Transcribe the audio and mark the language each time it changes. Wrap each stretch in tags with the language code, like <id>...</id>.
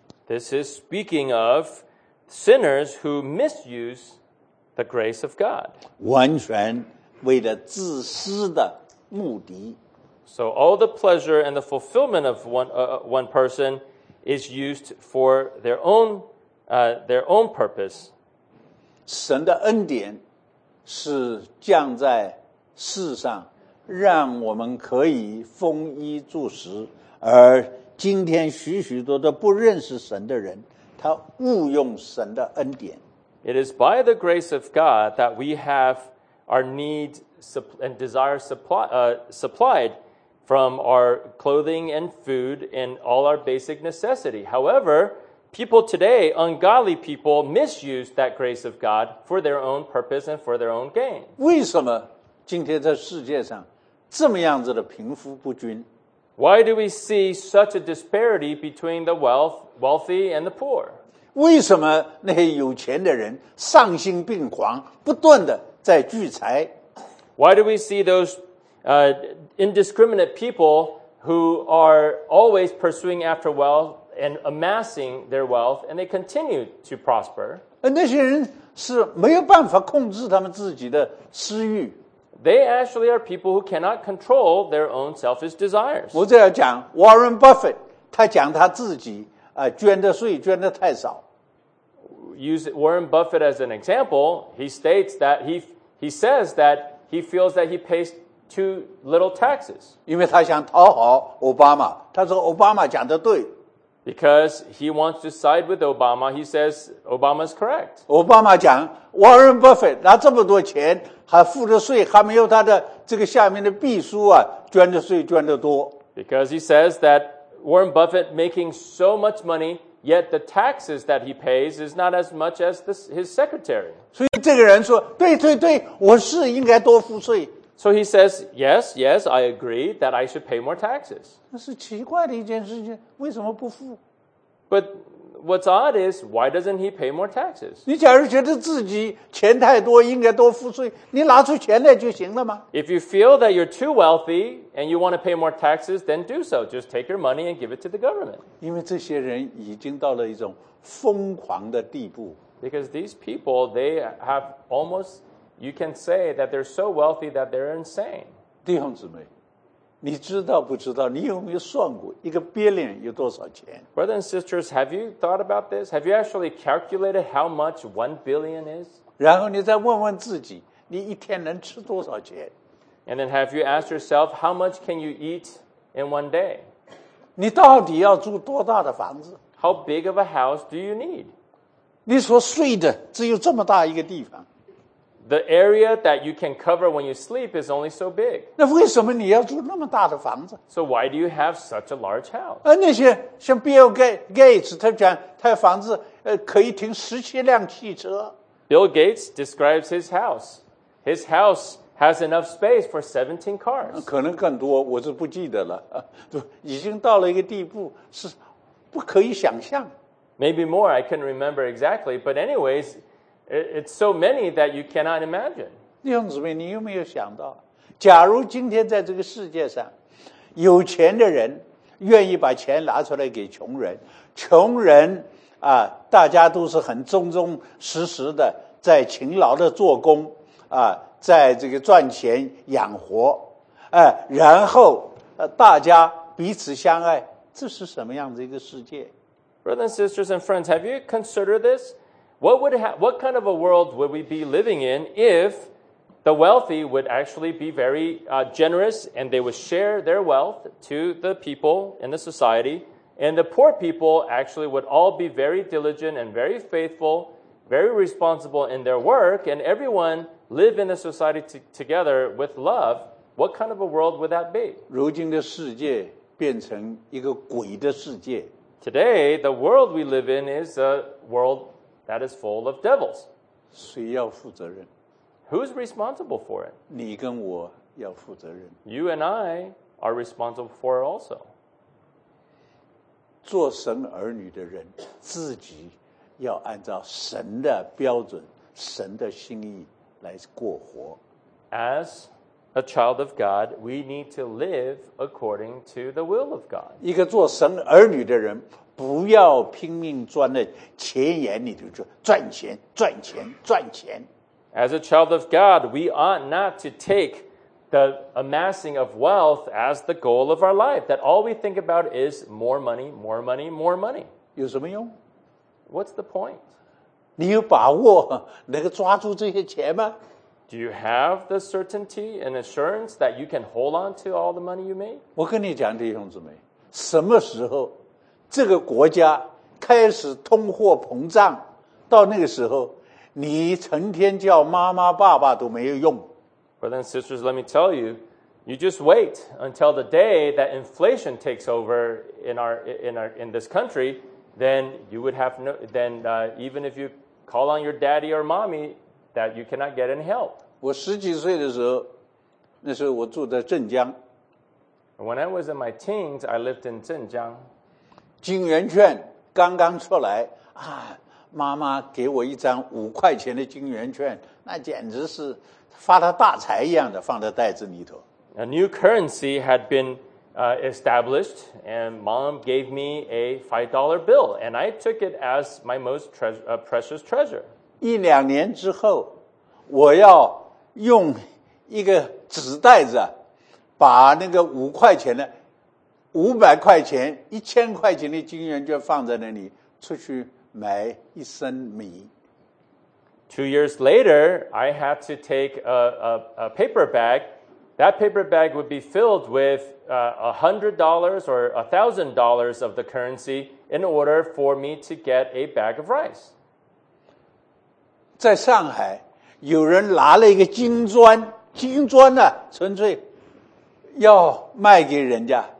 <en>This is speaking of sinners who misuse the grace of God.</en> <zh>完全为了自私的目的。</zh> <en>So all the pleasure and the fulfillment of one person is used for their own purpose.</en> <zh>神的恩典是降在世上，让我们可以丰衣足食。而今天许许多多不认识神的人，他误用神的恩典。</zh> <en>It is by the grace of God that we have our need and desire supplied from our clothing and food and all our basic necessity. However, people today, ungodly people, misuse that grace of God for their own purpose and for their own gain.</en> <zh>为什么今天在世界上这么样子的贫富不均？</zh> <en>Why do we see such a disparity between the wealthy and the poor?</en> <zh>为什么那些有钱的人丧心病狂，不断的在聚财？</zh> <en>Why do we see those indiscriminate people who are always pursuing after wealth and amassing their wealth and they continue to prosper?</en> <zh>那些人是没有办法控制他们自己的私欲。</zh> <en>They actually are people who cannot control their own selfish desires.</en> <zh>我这要讲 Warren Buffett， 他讲他自己捐的税捐的太少。</zh> <en>Use Warren Buffett as an example. He states that he says that he feels that he pays too little taxes.</en> <zh>因为他想讨好 Obama， 他说 Obama 讲的对。</zh> <en>Because he wants to side with Obama, he says Obama's correct.</en> <zh>Obama 讲 Warren Buffett 拿这么多钱还付的税还没有他的这个下面的秘书啊捐的税捐的多。</zh> <en>Because he says that Warren Buffett making so much money, yet the taxes that he pays is not as much as his secretary.</en> <zh>所以这个人说对对对，我是应该多付税。</zh> <en>So he says, yes, yes, I agree that I should pay more taxes.</en> <zh>那是奇怪的一件事情，为什么不付？</zh> <en>But what's odd is, why doesn't he pay more taxes?</en> <zh>你假如觉得自己钱太多，应该多付税，你拿出钱来就行了吗？</zh> <en>If you feel that you're too wealthy and you want to pay more taxes, then do so. Just take your money and give it to the government.</en> <zh>因为这些人已经到了一种疯狂的地步。</zh> <en>Because these people, they have almost... You can say that they're so wealthy that they're insane.</en> <zh>弟兄姊妹，你知道不知道？你有没有算过一个 billion 有多少钱？</zh> <en>Brothers and sisters, have you thought about this? Have you actually calculated how much $1 billion is?</en> <zh>然后你再问问自己，你一天能吃多少钱？</zh> <en>And then have you asked yourself how much can you eat in one day?</en> <zh>你到底要住多大的房子？</zh> <en>How big of a house do you need?</en> <zh>你所睡的只有这么大一个地方。</zh> <en>The area that you can cover when you sleep is only so big.</en> <zh>那为什么你要住那么大的房子？</zh> <en>So why do you have such a large house?</en> <zh>那些像 Bill Gates, 他讲他的房子可以停17辆汽车。</zh> <en>Bill Gates describes his house. His house has enough space for 17 cars.</en> <zh>可能更多，我就不记得了。已经到了一个地步，是不可以想象。</zh> <en>Maybe more, I can't remember exactly, but anyways,It's so many that you cannot imagine.</en> <zh>弟兄姊妹，你有没有想到，假如今天在这个世界上，有钱的人愿意把钱拿出来给穷人，穷人啊，大家都是很忠忠实实的在勤劳的做工啊，在这个赚钱养活，然后大家彼此相爱，这是什么样的一个世界</zh> <en>？Brothers, sisters, and friends, have you considered this? What kind of a world would we be living in if the wealthy would actually be very generous and they would share their wealth to the people in the society, and the poor people actually would all be very diligent and very faithful, very responsible in their work, and everyone live in the society together with love, what kind of a world would that be?</en> <zh>如今的世界变成一个鬼的世界。</zh> <en>Today, the world we live in is a worldThat is full of devils.</en> <zh>谁要负责任?</zh> <en>Who's responsible for it?</en> <zh>你跟我要负责任。</zh> <en>You and I are responsible for it also.</en> <zh>做神儿女的人自己要按照神的标准、神的心意来过活。</zh> <en>As a child of God, we need to live according to the will of God.</en> <zh>一个做神儿女的人不要拼命钻在钱眼里头赚赚钱赚钱赚钱。</zh> <en>As a child of God, we ought not to take the amassing of wealth as the goal of our life. That all we think about is more money, more money, more money.</en> <zh>有什么用</zh> <en>？What's the point?</en> <zh>你有把握能够抓住这些钱吗</zh> <en>？Do you have the certainty and assurance that you can hold on to all the money you make?</en> <zh>我跟你讲，弟兄姊妹，什么时候？这个国家开始通货膨胀，到那个时候，你成天叫妈妈爸爸都没有用。</zh> <en>Brothers and sisters, let me tell you, you just wait until the day that inflation takes over in this country, then you would have no, then even if you call on your daddy or mommy, that you cannot get any help.</en> <zh>我十几岁的时候，那时候我住在镇江。</zh> <en>When I was in my teens, I lived in 镇江。</en> <zh>金圆券刚刚出来啊，妈妈给我一张五块钱的金圆券，那简直是发了大财一样的，放在袋子里头。</zh> <en>A new currency had been established, and mom gave me a $5 bill, and I took it as my most precious treasure.</en> <zh>一两年之后，我要用一个纸袋子把那个五块钱的。五百块钱、一千块钱的金圆券放在那里，出去买一升米。</zh> <en>Two years later, I had to take a paper bag. That paper bag would be filled with $100 or $1,000 of the currency in order for me to get a bag of rice.</en> <zh>在上海，有人拿了一个金砖，金砖呢、啊，纯粹要卖给人家。</zh>